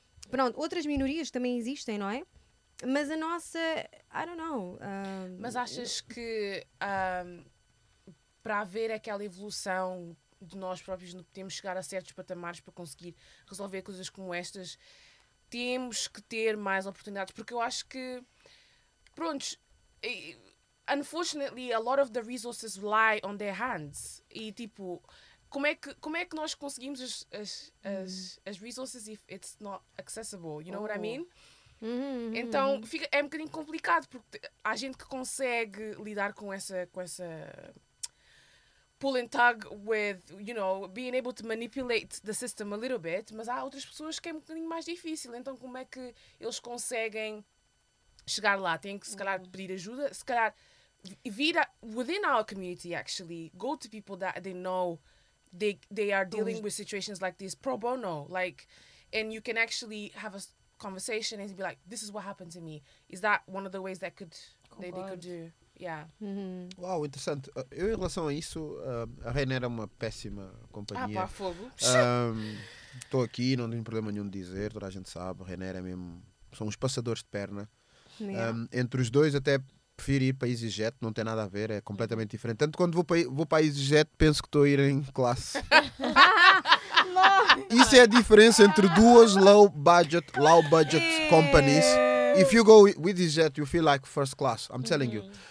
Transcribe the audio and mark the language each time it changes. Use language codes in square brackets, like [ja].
[pt] Pronto, outras minorias também existem, não é? Mas a nossa, [en] I don't know. [pt] Mas achas que para haver aquela evolução de nós próprios, temos que chegar a certos patamares para conseguir resolver coisas como estas, temos que ter mais oportunidades? Porque eu acho que, prontos... [en] Unfortunately, a lot of the resources lie on their hands. [pt] E, tipo, como é que nós conseguimos as resources [en] if it's not accessible? You know what I mean? [pt] Então, é um bocadinho complicado, porque há gente que consegue lidar com essa [en] pull and tug with, you know, being able to manipulate the system a little bit, [pt] mas há outras pessoas que é um bocadinho mais difícil. Então, como é que eles conseguem chegar lá? Têm que, se calhar, pedir ajuda? Se calhar... [en] within our community, actually, go to people that they know they are dealing with situations like this pro bono, like, and you can actually have a conversation and be like, this is what happened to me. Is that one of the ways that could they could do? Yeah. [pt] Uau, wow, interessante. Eu, em relação a isso, a Reina era uma péssima companhia. Ah, pá, fogo. Estou aqui, não tenho problema nenhum de dizer, toda a gente sabe. A Reina era mesmo. São uns passadores de perna. [en] Yeah. [pt] Entre os dois, até prefiro ir para EasyJet, não tem nada a ver, é completamente diferente. Tanto quando vou para EasyJet, penso que estou a ir em classe. Isso é a diferença entre duas [en] low budget companies. If you go with EasyJet, you feel like first class, I'm telling you.